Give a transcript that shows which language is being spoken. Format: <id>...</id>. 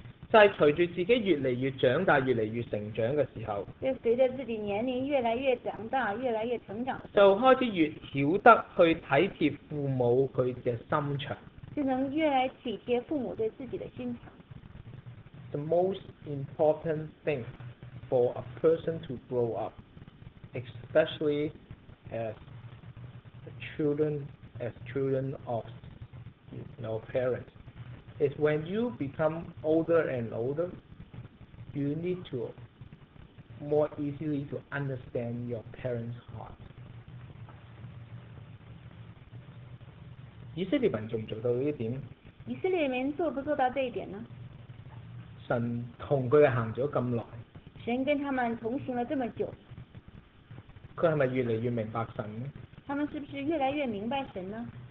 <zh>就是随着自己越来越长大越来越成长的时候，就随着自己年龄越来越长大越来越成长，就开始越晓得去体贴父母他的心肠，就能越来体贴父母对自己的心肠。</zh> <en>The most important thing for a person to grow upespecially as children, as children of your parents, is when you become older and older, you need to more easily to understand your parents' heart.</en> <zh>以色列民做不做到这一点？以色列民做不做到这一点呢？神同他们行了这么久，神跟他们同行了这么久，他是不是越来越明白神呢？他们是不是越来越明白神呢？</zh>